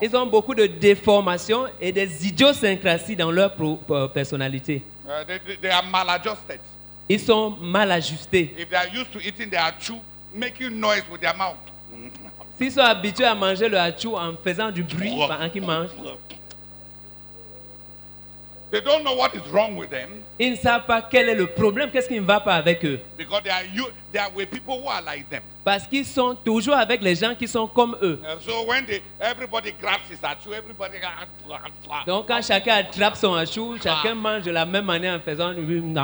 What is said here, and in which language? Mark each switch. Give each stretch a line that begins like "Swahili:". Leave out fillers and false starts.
French: Ils ont beaucoup de déformations et des idiosyncrasies dans leur personnalité.
English: They are maladjusted.
French: Ils sont mal ajustés.
English: If they are used to eating the achou, making noise with their mouth.
French: S'ils sont habitués à manger le achou en faisant du bruit pendant qu'ils mangent.
English: They don't know what is wrong with them.
French: Ils ne savent pas quel est le problème, qu'est-ce qui ne va pas avec eux.
English: Because they are with people who are like them.
French: Parce qu'ils sont toujours avec les gens qui sont comme eux.
English: So when everybody grabs his achou, everybody
French: Donc quand chacun attrape son achou, chacun mange de la même manière en faisant du bruit.